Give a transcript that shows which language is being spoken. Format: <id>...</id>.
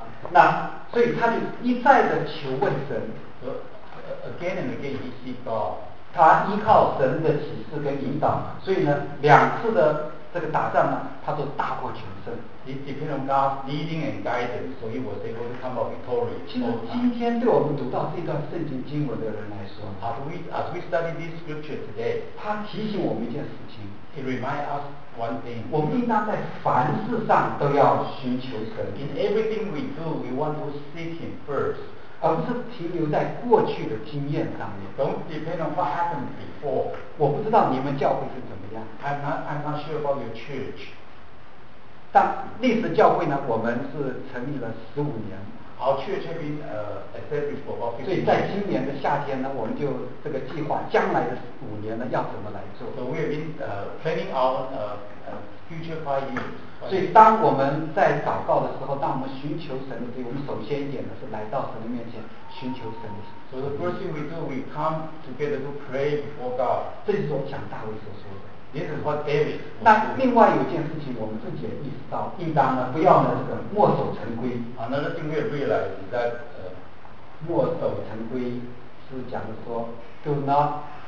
<zh>那所以他就一再的求问神。</zh> <en>So, again and again, he seeks God.</en> <zh>他依靠神的启示跟引导，所以呢，两次的这个打仗呢，他都大获全胜。</zh> <en>He depends on God's leading and guidance, so he was able to come out victorious.</en> <zh>其实今天对我们读到这段圣经经文的人来说</zh> <en>，as we study this scripture today,</en> <zh>他提醒我们一件事情。</zh> <en>It reminds us one thing.</en> <zh>我们应当在凡事上都要寻求神。</zh> <en>In everything we do, we want to seek Him first.</en> <zh>而不是停留在过去的经验上面。</zh> <en>Don't depend on what happened before.</en> <zh>我不知道你们教会是怎么样。</zh> <en>I'm not sure about your church.</en> <zh>但历史教会呢，我们是成立了十五年。好，确切比</zh> <en>established for about 15 years.</en> <zh>所以在今年的夏天呢，我们就这个计划将来的五年呢要怎么来做。</zh> <en>So we've been planning our future 5 years.</en> <zh>所以当我们在祷告的时候，当我们寻求神的时候，我们首先一点呢是来到神的面前寻求神的。</zh> <en>So the first thing we do, we come together to pray before God.</en> <zh>这就是我想大卫所说的。</zh> <en>This is what David.</en> <zh>那另外有一件事情，我们自己也意识到，应当呢，不要呢这个墨守成规。</zh> <en>Another thing we realize is that,</en> <zh>墨守成规是讲的说 ，</zh> <en>do not,</en>